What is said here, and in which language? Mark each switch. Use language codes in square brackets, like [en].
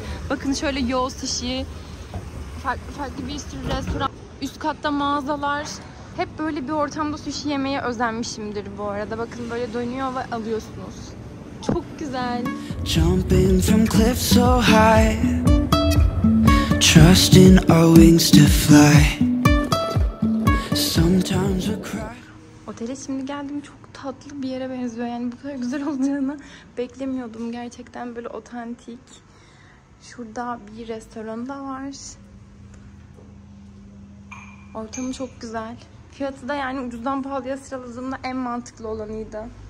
[tr] Bakın şöyle yoğurt sushi, farklı bir sürü restoran, üst katta mağazalar. Hep böyle bir ortamda sushi yemeye özenmişimdir bu arada. Bakın böyle dönüyor ve alıyorsunuz. Çok güzel. [en] Jumping from cliffs so high, trusting our wings to fly. Sometimes we cry. [tr] Otele şimdi geldim. Çok tatlı bir yere benziyor. Yani bu kadar güzel olacağını beklemiyordum. Gerçekten böyle otantik. Şurada bir restoran da var. Ortamı çok güzel. Fiyatı da yani ucuzdan pahalıya sıraladığımda en mantıklı olanıydı.